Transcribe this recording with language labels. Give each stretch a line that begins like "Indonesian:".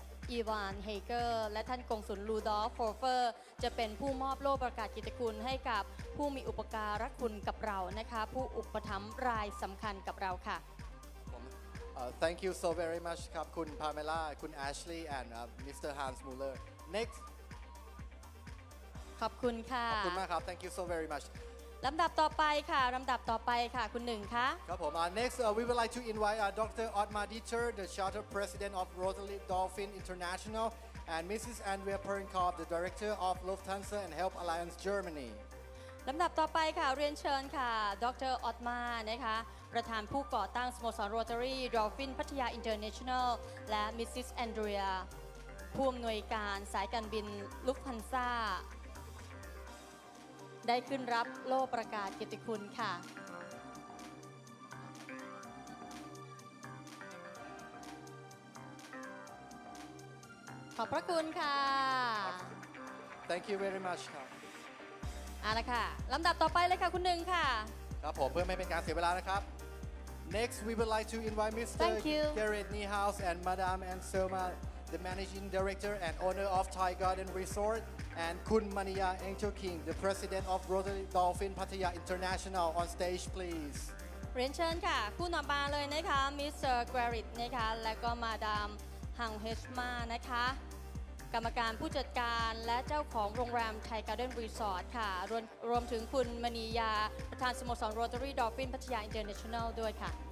Thai: อีวานเฮเกอร์และท่านกงสุลลูดอล์ฟโฟเฟอร์จะเป็นผู้มอบโล่ประกาศกิตติคุณให้กับผู้มีอุปการะคุณกับเรานะคะผู้อุปถัมภ์รายสำคัญกับเราค่ะ
English: Thank you so very much
Thai: ครับคุณพาเมล่าคุณแอชลีย์
English: and Mr. Hans Muller next
Thai: ขอบคุณค่ะ ขอบคุณมากครับ
English: Thank you so very much
Thai: ลำดับต่อไปค่ะลำดับต่อไปค่ะคุณหนึ่งคะ ครับผม
English: next we would like to invite Dr. Otmar Dieter the Charter President of Rotary Dolphin International and Mrs. Andrea Perenkov the Director of Lufthansa and Help Alliance Germany
Thai: ลำดับต่อไปค่ะเรียนเชิญค่ะดร.Otmar นะคะประธานผู้ก่อตั้งสโมสรโรตารี่ดอลฟินพัทยาอินเตอร์เนชั่นแนลและมิสซิสแอนเดรียผู้อำนวยการสายการบินลุฟทันซ่าได้ขึ้นรับโล่ประกาศเกียรติคุณค่ะขอบพระคุณค่ะ
English: Thank you very much ครับ
Thai: เอาละค่ะลำดับต่อไปเลยค่ะคุณหนึ่งค่ะ ครับผมเพื่อไม่เป็นการเสียเวลานะครับ
English: Next, we would like to invite Mr. Garrett Niehaus and Madame Anselma, the Managing Director and Owner of Thai Garden Resort, and Kun Maniya Angel King, the President of Rotary Dolphin Pattaya International, on stage, please.
Thai: เรียนเชิญค่ะคู่นำมาเลยนะคะ Mr. Garrett นะคะและก็ Madame Hang Hesma นะคะกรรมการผู้จัดการและเจ้าของโรงแรม Thai Garden Resort ค่ะรวมถึงคุณมณียาประธานสโมสร Rotary Dolphin Pattaya International ด้วยค่ะ